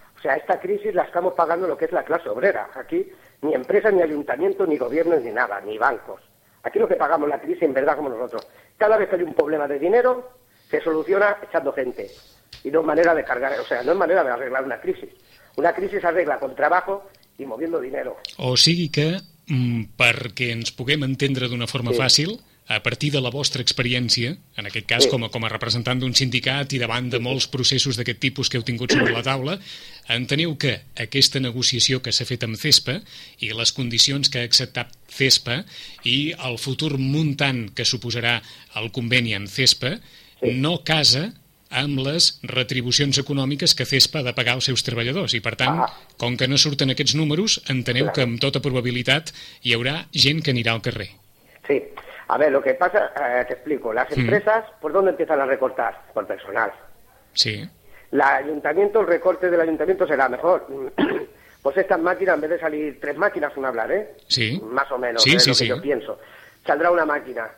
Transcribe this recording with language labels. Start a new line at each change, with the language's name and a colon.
Spanish: O sea, esta crisis la estamos pagando lo que es la clase obrera. Aquí ni empresa, ni ayuntamiento, ni gobierno, ni nada, ni bancos. Aquí lo que pagamos la crisis en verdad como nosotros. Cada vez que hay un problema de dinero, se soluciona echando gente. Y no es manera de cargar, o sea, no es manera de arreglar una crisis. Una crisis se arregla con trabajo y moviendo dinero.
Catalan: O sigui que, perquè ens puguem entendre d'una forma fàcil, a partir de la vostra experiència, en aquest cas com a representant d'un sindicat i davant de molts processos d'aquest tipus que heu tingut sobre la taula, enteniu que aquesta negociació que s'ha fet amb CESPA i les condicions que ha acceptat CESPA i el futur muntant que suposarà el conveni amb CESPA no casa amb les retribucions econòmiques que CESPA ha de pagar als seus treballadors. I, per tant, com que no surten aquests números, enteneu que amb tota probabilitat hi haurà gent que anirà al carrer. Sí.
Spanish: A ver, lo que pasa, te explico, las empresas, ¿por dónde empiezan a recortar? Por personal. Sí. El recorte del ayuntamiento será mejor. Pues estas máquinas, en vez de salir 3 máquinas, un hablar, ¿eh? Sí. Más o menos, sí, es sí, lo que yo pienso. Saldrá una máquina.